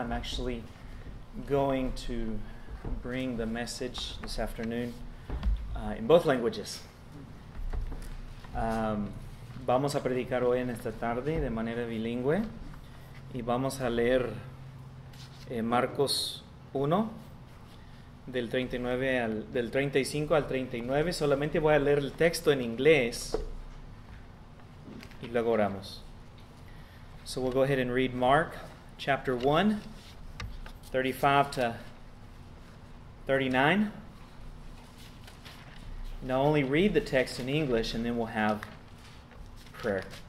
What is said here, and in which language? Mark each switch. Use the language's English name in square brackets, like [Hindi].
[English] I'm actually going to bring the message this afternoon in both languages. [Spanish] Vamos a predicar hoy en esta tarde de manera bilingüe. Y vamos a leer Marcos 1. Del 35 al 39, solamente voy a leer el texto en inglés y luego oramos. [English] So we'll go ahead and read Mark chapter 1, 35 to 39. And I'll only read the text in English and then we'll have prayer.